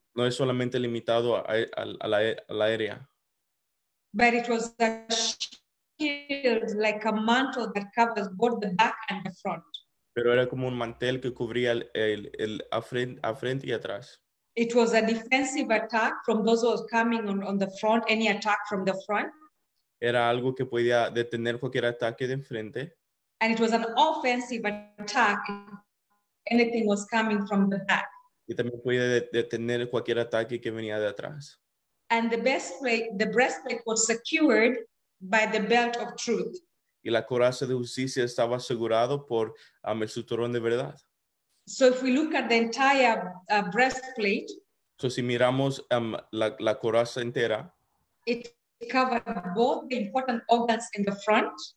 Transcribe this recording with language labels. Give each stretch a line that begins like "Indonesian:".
Spanish: No es solamente limitado a la área.
English: But it was a shield like a mantle that covers both the back and the front.
Spanish: Pero era como un mantel que cubría el a frente y atrás.
English: It was a defensive attack from those who were coming on the front, any attack from the front.
Spanish: Era algo que podía detener cualquier ataque de enfrente.
English: And it was an offensive attack if anything was coming from the back.
Spanish: Y también podía detener cualquier ataque que venía de atrás.
English: And the breastplate was secured by the belt of truth.
Spanish: Y la coraza de justicia estaba asegurado por el cinturón de verdad.
English: So if we look at the entire breastplate,
Spanish: si miramos la coraza entera,
English: it covered both the important organs in the front.